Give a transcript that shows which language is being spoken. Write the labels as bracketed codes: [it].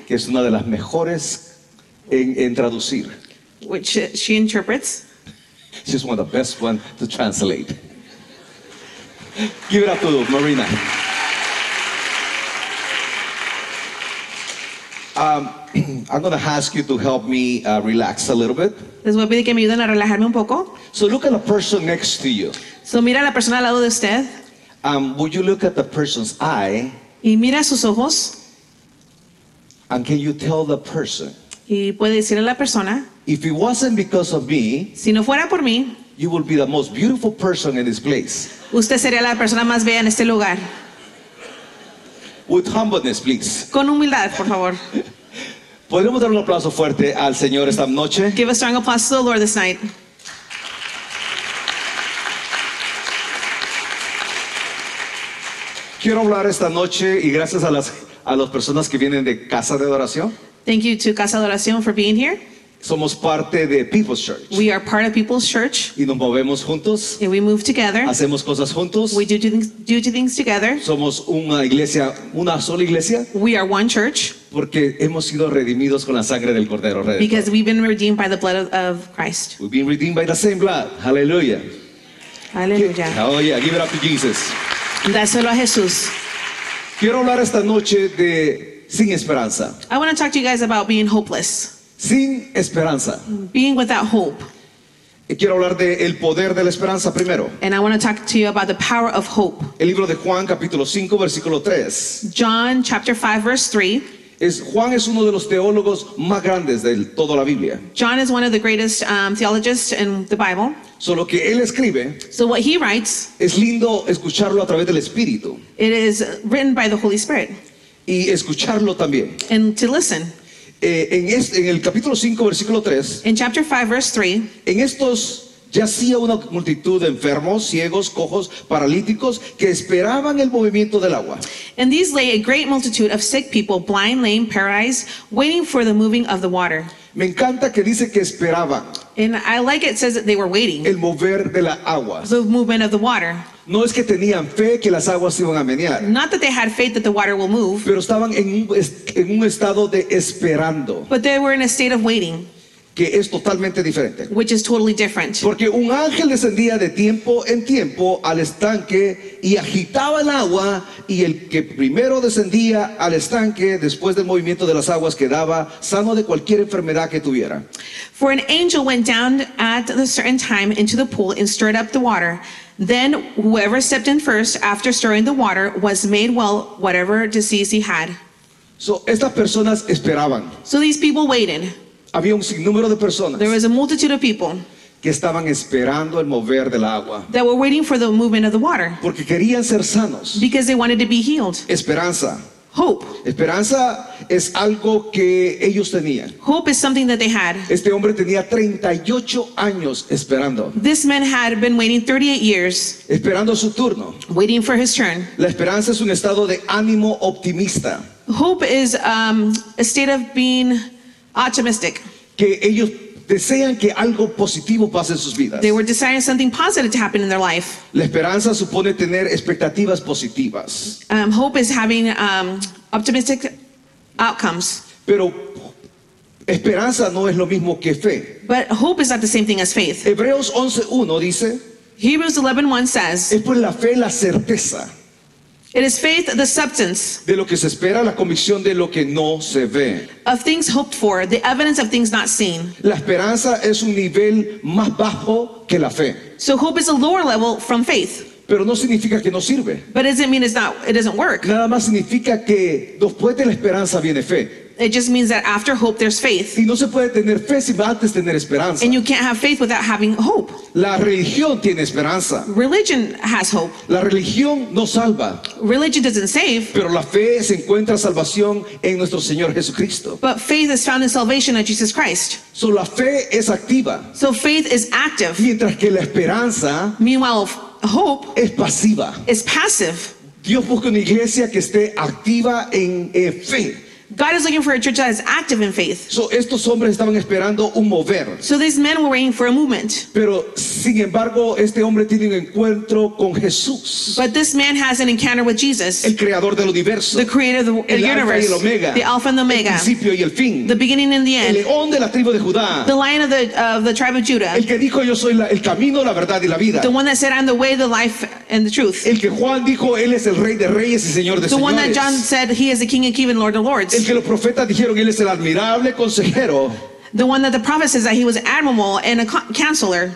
[es] Que es una de las mejores en traducir. [en] Which she interprets. She's one of the best ones to translate. Give it up to them, Marina. I'm going to ask you to help me relax a little bit. [es] Les voy a pedir que me ayuden a relajarme un poco. [en] So look at the person next to you. [es] So mira a la persona al lado de usted. [en] Would you look at the person's eye? [es] Y mira sus ojos. [en] And can you tell the person? [es] Y puede decirle a la persona. [en] If it wasn't because of me, [es] si no fuera por mí, [en] you would be the most beautiful person in this place. [es] Usted sería la persona más bella en este lugar. [en] With humbleness, please. [es] Con humildad, por favor. ¿Podríamos dar un aplauso fuerte al Señor esta noche? [en] Give a strong applause to the Lord this night. [es] Quiero hablar esta noche y gracias a las personas que vienen de Casa de Adoración. [en] Thank you to Casa de Adoración for being here. [es] Somos parte de People's Church. [en] We are part of People's Church. [es] Y nos movemos juntos. [en] And we move together. [es] Hacemos cosas juntos. [en] We do things together. [es] Somos una sola iglesia. [en] We are one church. [es] Porque hemos sido redimidos con la sangre del Cordero. [en] Because we've been redeemed by the blood of Christ. We've been redeemed by the same blood. Hallelujah. Hallelujah. Oh yeah, give it up to Jesus. [es] Dáselo a Jesús. Quiero hablar esta noche de sin esperanza. [en] I want to talk to you guys about being hopeless. [es] Sin esperanza. [en] Being without hope. [es] Y quiero hablar de el poder de la esperanza primero. [en] And I want to talk to you about the power of hope. [es] El libro de Juan capítulo 5 versículo 3. [en] John chapter 5 verse 3. [es] Juan es uno de los teólogos más grandes de toda la Biblia. [en] John is one of the greatest theologists in the Bible. [es] Solo que él escribe. [en] So what he writes. [es] Es lindo escucharlo a través del Espíritu. [en] It is written by the Holy Spirit. [es] y escucharlo también. [en] And to listen. [es] En el capítulo 5, versículo 3. [en] In chapter 5, verse 3. [es] En estos yacía una multitud de enfermos, ciegos, cojos, paralíticos, que esperaban el movimiento del agua. [en] And these lay a great multitude of sick people, blind, lame, paralyzed, waiting for the moving of the water. [es] Me encanta que dice que esperaban. [en] And I like it says that they were waiting. [es] El mover de la agua. [en] The movement of the water. [es] No es que tenían fe que las aguas iban a menear. [en] Not that they had faith that the water will move. [es] Pero estaban en un estado de esperando. [en] But they were in a state of waiting. [es] Que es totalmente diferente. [en] Which is totally different. [es] Porque un ángel descendía de tiempo en tiempo al estanque y agitaba el agua, y el que primero descendía al estanque después del movimiento de las aguas quedaba sano de cualquier enfermedad que tuviera. [en] For an angel went down at a certain time into the pool and stirred up the water. Then whoever stepped in first after stirring the water was made well whatever disease he had. [es] So estas personas esperaban. [en] So these people waited. [es] Había un sinnúmero de personas. [en] There was a multitude of people [es] que estaban esperando el mover del agua. [en] That were waiting for the movement of the water. [es] Porque querían ser sanos. [en] Because they wanted to be healed. [es] Esperanza. [en] Hope. [es] Esperanza es algo que ellos tenían. [en] Hope is something that they had. [es] Este hombre tenía 38 años esperando. [en] This man had been waiting 38 years. [es] Esperando su turno. [en] Waiting for his turn. [es] La esperanza es un estado de ánimo optimista. [en] Hope is a state of being optimistic. [es] Que ellos desean que algo positivo pase en sus vidas. [en] They were desiring something positive to happen in their life. [es] La esperanza supone tener expectativas positivas. [en] Hope is having optimistic outcomes. [es] Pero esperanza no es lo mismo que fe. [en] But hope is not the same thing as faith. [es] Hebreos 11:1 dice. [en] Hebrews 11:1 says. [es] Es por la fe la certeza. [en] It is faith, the substance. [es] De lo que se espera, la convicción de lo que no se ve. [en] Of things hoped for, the evidence of things not seen. [es] La esperanza es un nivel más bajo que la fe. [en] So hope is a lower level from faith. [es] Pero no significa que no sirve. [en] But it doesn't mean it doesn't work. [es] Nada más significa que después de la esperanza viene fe. [en] It just means that after hope there's faith. [es] Y no se puede tener fe sin antes tener esperanza. [en] And you can't have faith without having hope. [es] La religión tiene esperanza. [en] Religion has hope. [es] La religión no salva. [en] Religion doesn't save. [es] Pero la fe se encuentra salvación en nuestro Señor Jesucristo. [en] But faith is found in salvation in Jesus Christ. [es] So la fe es activa. [en] So faith is active. [es] Mientras que la esperanza, [en] meanwhile, hope [es] es pasiva. [en] Is passive. [es] Dios busca una iglesia que esté activa en fe. [en] God is looking for a church that is active in faith. [es] So estos hombres estaban esperando un mover. [en] So these men were waiting for a movement. [es] Pero sin embargo, este hombre tiene un encuentro con Jesús. [en] But this man has an encounter with Jesus. [es] El creador del universo. [en] The creator of the universe. [es] El alfa y el omega. [en] The alpha and the omega. [es] El principio y el fin. [en] The beginning and the end. [es] El león de la tribu de Judá. [en] The lion of the tribe of Judah. [es] El que dijo yo soy el camino, la verdad y la vida. [en] The one that said I'm the way, the life and the truth. [es] El que Juan dijo él es el rey de reyes y señor de señores. [en] The one that John said he is the king and king and lord of lords. [es] El que los profetas dijeron él es el admirable consejero. [en] The one that the prophet says that he was admirable and a counselor.